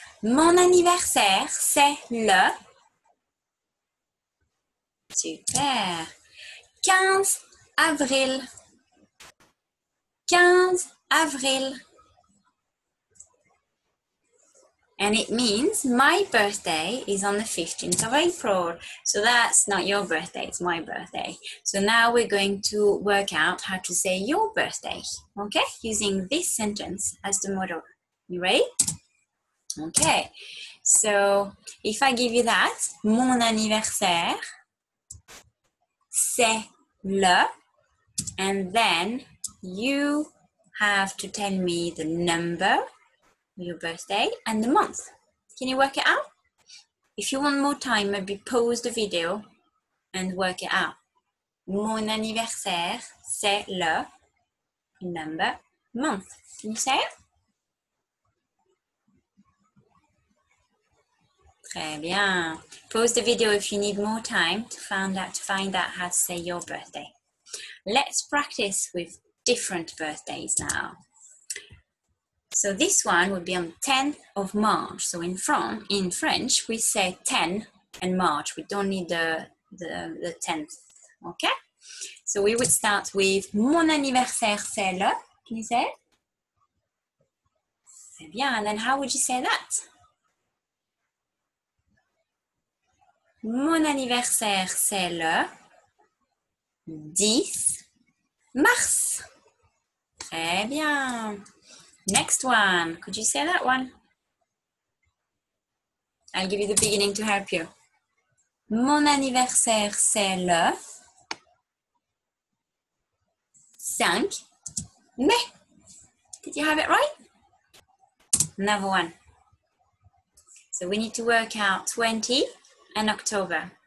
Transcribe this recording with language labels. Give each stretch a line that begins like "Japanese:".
French: Mon anniversaire, c'est le, super, 15 avril, 15 avril.
English: And it means my birthday is on the 15th of April. So that's not your birthday, it's my birthday. So now we're going to work out how to say your birthday, okay? Using this sentence as the model. You ready? Okay. So if I give you that,
French: mon anniversaire, c'est le,
English: and then you have to tell me the number, your birthday and the month. Can you work it out? If you want more time, maybe pause the video and work it out.
French: Mon anniversaire, c'est le
English: number month. Can you say it?
French: Très bien.
English: Pause the video if you need more time to find out how to say your birthday. Let's practice with different birthdays now. So this one would be on 10th of March. So in French, we say 10 and March. We don't need the 10th, okay? So we would start with
French: mon anniversaire, c'est le.
English: Can you say it?
French: C'est bien.
English: And then how would you say that?
French: Mon anniversaire, c'est le 10 mars. Très bien.
English: Next one. Could you say that one? I'll give you the beginning to help you.
French: Mon anniversaire, c'est le 5 mai.
English: Did you have it right? Another one. So we need to work out 20 and October.